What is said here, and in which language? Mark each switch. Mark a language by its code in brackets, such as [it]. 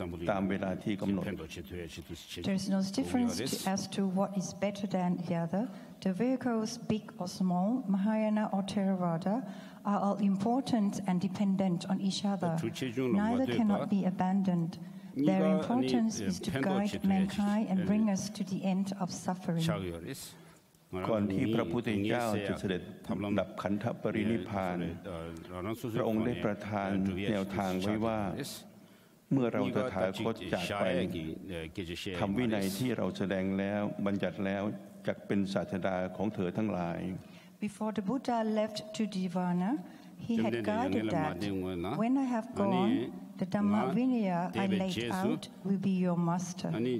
[en] There's no difference as to what is better than the other. The vehicles, big or small, Mahayana or Theravada, are all important and dependent on each other. Neither cannot be abandoned. Their importance is to guide mankind and bring us to the end of suffering. [th] ก่อนที่พระพุทธเจ้าจะเสด็จดับขันธปรินิพพานพระองค์ได้ประทานแนวทางไว้ว่าเมื่อเราตถาคตจากไปทำวินัยที่เราแสดงแล้วบัญญัติแล้วจักเป็นศาสดาของเธอทั้งหลาย [en] Before the Buddha left to Nirvana, he had guided that when I have gone, the Dhamma Vinaya I laid out will be your master.